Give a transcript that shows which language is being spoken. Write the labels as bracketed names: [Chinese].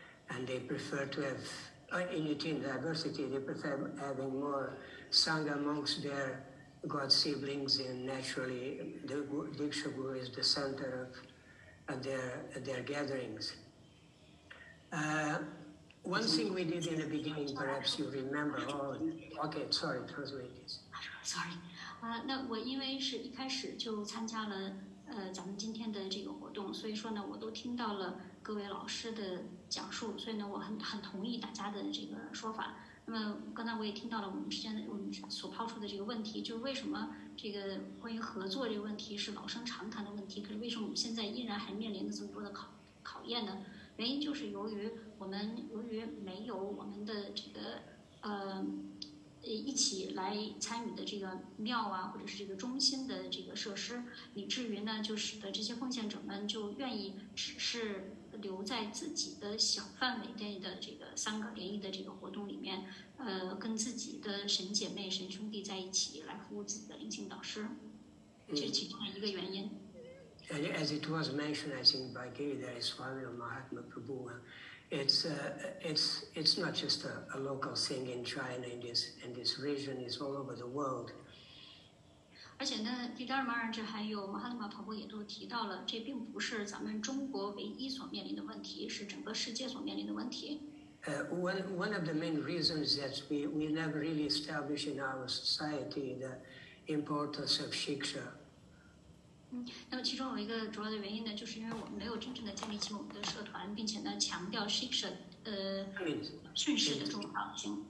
[English] And they prefer to have unity and diversity. They prefer having more sangha amongst their god siblings. And naturally, the Diksha Guru is the center of their gatherings. One thing we did in the beginning, perhaps you remember. Translate this. Sorry. [Chinese] 那我因为是一开始就参加了咱们今天的这个活动，所以说呢我都听到了各位老师的讲述，所以呢我很同意大家的这个说法。那么刚才我也听到了我们所抛出的这个问题，就是为什么这个关于合作这个问题是老生常谈的问题，可是为什么我们现在依然还面临着这么多的考验呢？原因就是由于没有我们的这个一起来参与的这个庙啊，或者是这个中心的这个设施，以至于呢，就使得这些奉献者们就愿意只是留在自己的小范围内的这个三个联谊的这个活动里面，跟自己的神姐妹、神兄弟在一起来服务自己的灵性导师，这是其中的一个原因。 [English] And as it was mentioned, I think by Giri, that is Swami Mahatma Prabhu. It's not just a local thing in China, in this region, it's all over the world. [Chinese] 而且呢，迪达尔马尔这还有马哈拉马跑步也都提到了，这并不是咱们中国唯一所面临的问题，是整个世界所面临的问题。 [English] One of the main reasons that we never really establish in our society the importance of shiksha. [Chinese] 那么其中有一个主要的原因呢，就是因为我们没有真正的建立起我们的社团，并且呢强调 Shiksha 训师的重要性。